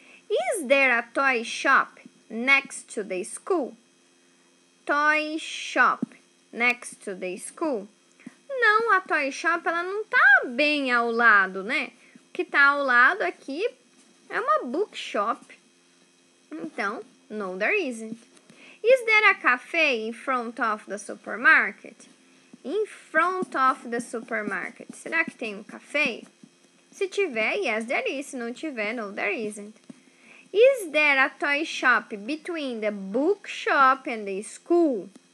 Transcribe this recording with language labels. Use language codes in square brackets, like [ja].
[en] Is there a toy shop next to the school? Toy shop next to the school. [pt] Não, [en] a toy shop [pt] ela não tá bem ao lado, né? O que tá ao lado aqui é uma bookshop. [en] Então, no there isn't. Is there a cafe in front of the supermarket? In front of the supermarket. [pt] Será que tem um café? Se tiver, [en] yes, there is. [pt] Se não tiver, [en] no, there isn't. Is there a toy shop between the bookshop and the school?